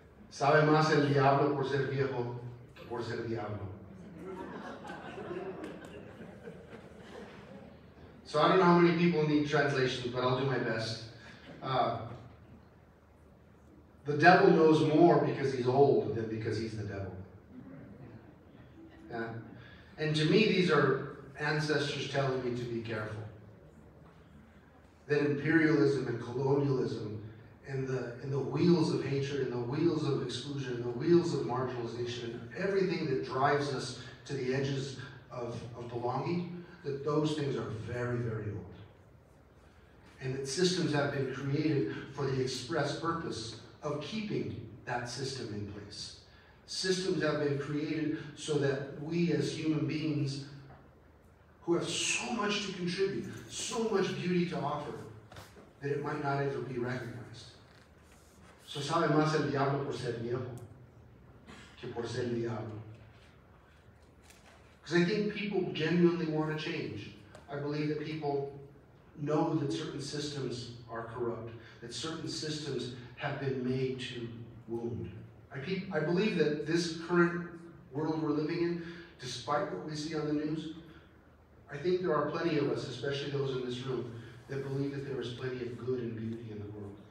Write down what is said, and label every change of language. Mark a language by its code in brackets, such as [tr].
[es] Sabe más el diablo por ser viejo que por ser diablo. [en] So I don't know how many people need translations, but I'll do my best. The devil knows more because he's old than because he's the devil. Yeah. And to me, these are ancestors telling me to be careful. That imperialism and colonialism and the wheels of hatred and the wheels of exclusion and the wheels of marginalization, everything that drives us to the edges of belonging, that those things are very, very old. And that systems have been created for the express purpose of keeping that system in place. Systems have been created so that we as human beings who have so much to contribute, so much beauty to offer, that it might not ever be recognized. So [es] sabe más el diablo por ser viejo que por ser diablo. [en] Because I think people genuinely want to change. I believe that people know that certain systems are corrupt, that certain systems have been made to wound. I believe that this current world we're living in, despite what we see on the news, I think there are plenty of us, especially those in this room, that believe that there is plenty of good and beauty in the world.